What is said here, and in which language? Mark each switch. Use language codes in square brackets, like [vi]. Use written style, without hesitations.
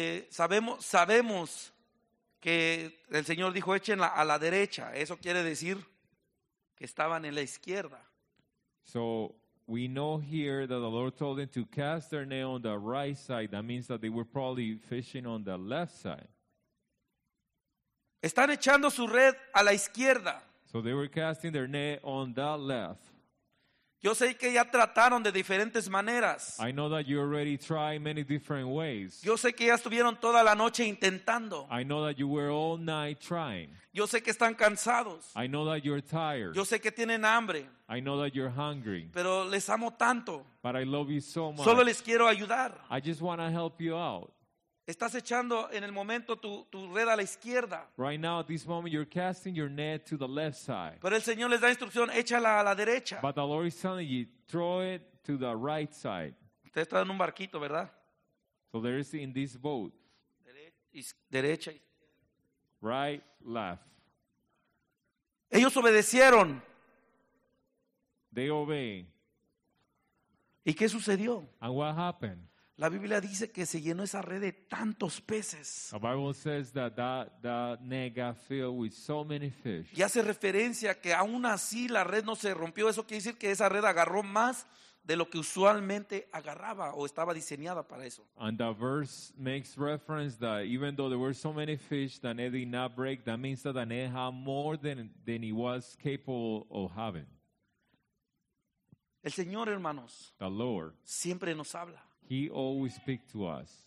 [es] Sabemos que el Señor dijo échenla a la derecha. Eso quiere decir que estaban en la izquierda. [en] So we know here that the Lord told them to cast their net on the right side. That means that they were probably fishing on the left side. [es] Están echando su red a la izquierda. [en] So they were casting their net on the left. [es] Yo sé que ya trataron de diferentes maneras. [en] I know that you already tried many different ways. [es] Yo sé que ya estuvieron toda la noche intentando. [en] I know that you were all night trying. [es] Yo sé que están cansados. [en] I know that you're tired. [es] Yo sé que tienen hambre. [en] I know that you're hungry. [es] Pero les amo tanto. [en] But I love you so much. [es] Solo les quiero ayudar. [en] I just want to help you out. [es] Estás echando en el momento tu red a la izquierda. [en] Right now, at this moment, you're casting your net to the left side. [es] Pero el Señor les da instrucción, échala a la derecha. [en] But the Lord is telling you, throw it to the right side. [es] Usted está en un barquito, ¿verdad? [en] So there is in this boat. [es] Derecha. [en] Right, left. [es] Ellos obedecieron. [en] They obey. [es] ¿Y qué sucedió? [en] And what happened? [es] La Biblia dice que se llenó esa red de tantos peces. [en] The Bible says that net got filled with so many fish. [es] Y hace referencia que aún así la red no se rompió. Eso quiere decir que esa red agarró más de lo que usualmente agarraba o estaba diseñada para eso. [en] And that verse makes reference that even though there were so many fish that net did not break, that means that the net had more than it was capable of having. [es] El Señor, hermanos, [en] the Lord, [es] siempre nos habla. [en] He always speaks to us.